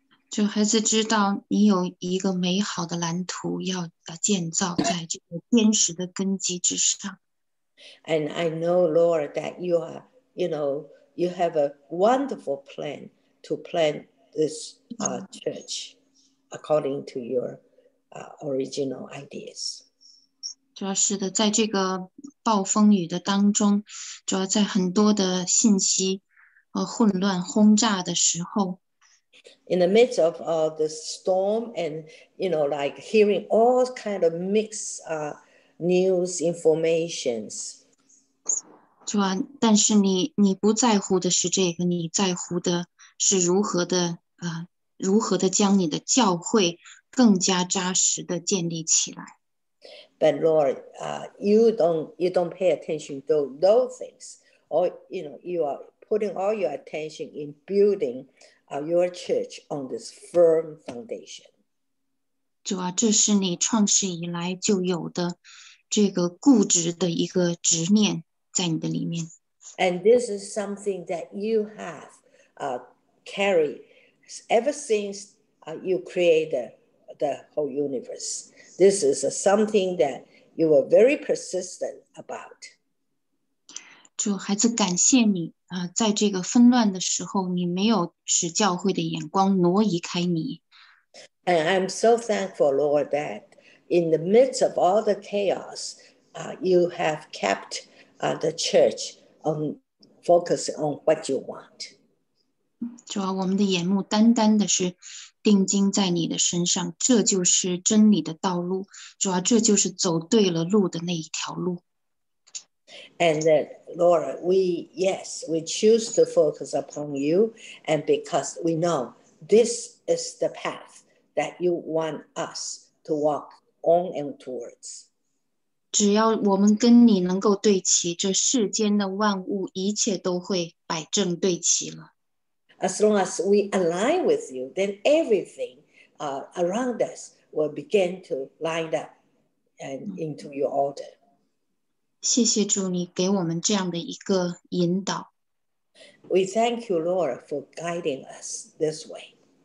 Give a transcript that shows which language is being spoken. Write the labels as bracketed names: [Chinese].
[Chinese] 主孩子知道你有一个美好的蓝图要建造在这个坚实的根基之上。 [English] And I know, Lord, that you are, you know, you have a wonderful plan to plant this church according to your original ideas. [Chinese] 主要是的，在这个暴风雨的当中，主要在很多的信息和混乱轰炸的时候。 [English] In the midst of the storm and, you know, like hearing all kind of mixed news informations. [Chinese] 主要，但是你不在乎的是这个，你在乎的是如何的将你的教会更加扎实的建立起来。 [English] But Lord, you don't pay attention to those things, or you know, you are putting all your attention in building your church on this firm foundation. [Chinese] 主啊，这是你创世以来就有的这个固执的一个执念在你的里面。 [English] And this is something that you have carried ever since you created the whole universe. This is something that you were very persistent about. [Chinese] 主孩子感谢你，在这个纷乱的时候，你没有使教会的眼光挪移开你。 [English] And I'm so thankful, Lord, that in the midst of all the chaos, you have kept the church on focusing on what you want. [Chinese] 主啊，我们的眼目单单的是定睛在你的身上，这就是真理的道路。主啊，这就是走对了路的那一条路。 [English] And then, Lord, we choose to focus upon you, and because we know this is the path that you want us to walk on and towards. [Chinese] 只要我们跟你能够对齐，这世间的万物一切都会摆正对齐了。 [English] As long as we align with you, then everything around us will begin to line up and into your order. [Chinese] 谢谢主，你给我们这样的一个引导。 [English] We thank you, Lord, for guiding us this way.